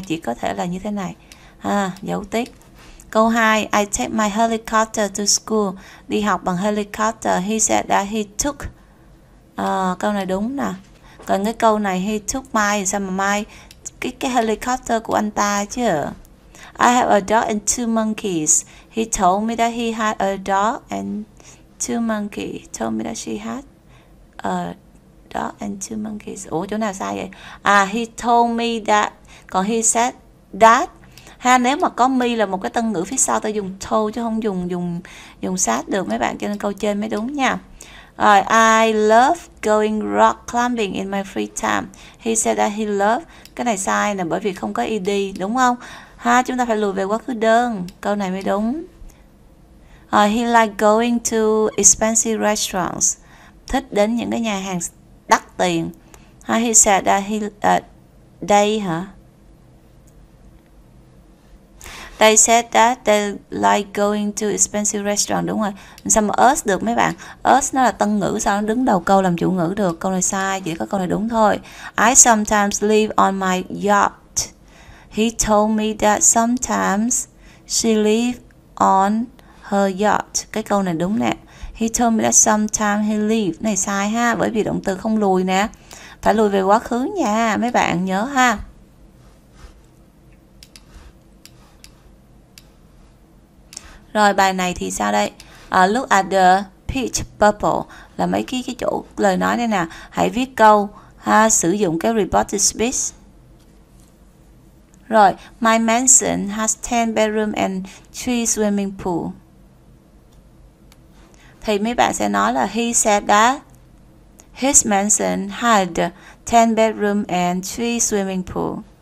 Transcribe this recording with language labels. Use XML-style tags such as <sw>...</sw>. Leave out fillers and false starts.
<vi>Chỉ có thể là như thế này. À, dấu tích. Câu 2.</vi> <en>I take my helicopter to school.</en> <vi>Đi học bằng helicopter.</vi> <en>He said that he took.</en> <vi>Câu này đúng nè. Còn cái câu này</vi> <en>he took my.</en> <vi>Sao mà my? Cái helicopter của anh ta chứ.</vi> <en>I have a dog and 2 monkeys. He told me that he had a dog and 2 monkeys. Told me that she had a dog and 2 monkeys.</en> <vi>Ủa chỗ nào sai vậy?</vi> <en>À, he told me that. Còn he said that.</en> <vi>Ha, nếu mà có me là một cái tân ngữ phía sau, ta dùng told chứ không dùng said được mấy bạn. Cho nên câu trên mới đúng nha.</vi> <en>I love going rock climbing in my free time. He said that he loved.</en> <vi>Cái này sai nè bởi vì không có ed đúng không? Ha, chúng ta phải lùi về quá khứ đơn. Câu này mới đúng.</vi> <en>He like going to expensive restaurants.</en> <vi>Thích đến những cái nhà hàng đắt tiền.</vi> <en>Ha, he said that he they hả? They said that they like going to expensive restaurant,</en> <vi>đúng rồi. Sao mà us được mấy bạn? Us nó là tân ngữ, sao nó đứng đầu câu làm chủ ngữ được? Câu này sai, chỉ có câu này đúng thôi.</vi> <en>I sometimes live on my yacht. He told me that sometimes she live on her yacht.</en> <vi>Cái câu này đúng nè.</vi> <en>He told me that sometimes he live.</en> <vi>Này sai ha, bởi vì động từ không lùi nè. Phải lùi về quá khứ nha, mấy bạn nhớ ha. Rồi bài này thì sao đây?</vi> <en>Look at the peach bubble</en> <vi>là mấy cái chỗ lời nói đây nè. Hãy viết câu ha, sử dụng cái reported speech.</vi> <en>Rồi, my mansion has 10 bedroom and 3 swimming pool.</en> <vi>Thì mấy bạn sẽ nói là</vi> <en>he said that his mansion had 10 bedroom and 3 swimming pool.</en>